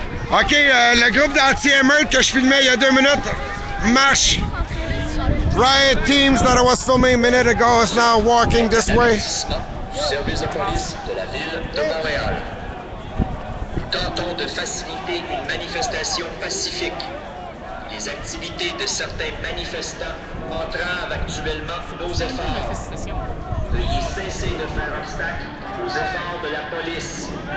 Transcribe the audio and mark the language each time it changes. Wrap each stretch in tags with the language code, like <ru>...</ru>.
<fr>OK, le groupe d'anti-émeute que je filmais il y a deux minutes marche.</fr> <en>Riot teams that I was filming a minute ago is now walking this way.</en> <fr>Service de police de la ville de Montréal. Tentons de faciliter une manifestation pacifique. Les activités de certains manifestants entravent actuellement nos efforts. Veuillez cesser de faire obstacle aux efforts de la police.</fr>